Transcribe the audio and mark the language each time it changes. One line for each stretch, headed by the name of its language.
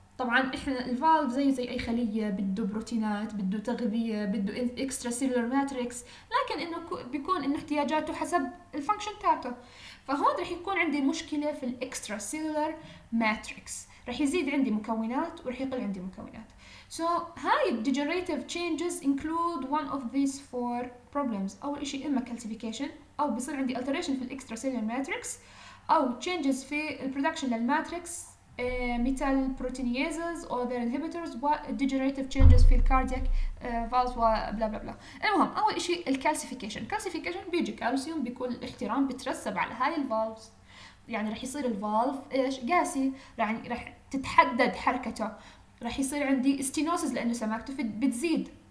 Arabic: طبعا احنا الفالف زي اي خليه، بده بروتينات، بده تغذيه، بده extra cellular matrix، لكن انه بيكون انه احتياجاته حسب الفانكشن تاعته. فهون راح يكون عندي مشكله في الاكسترا سيلولر matrix، راح يزيد عندي مكونات وراح يقل عندي مكونات.
English: So
Arabic: هاي
English: degenerative changes include one of these four problems.
Arabic: أول إشي إما calcification، أو بصير عندي alteration في extracellular matrix، أو changes في production للmatrix metal proteinases
English: or their inhibitors،
Arabic: و degenerative changes في cardiac valves و بلا بلا بلا. المهم أول إشي calcification. calcification بيجي calcium بكل احترام بترسب على هاي valves، يعني رح يصير valve إيش قاسي، يعني رح تتحدد حركته، رح يصير عندي استينوسز لأنه سماكته بتزيد.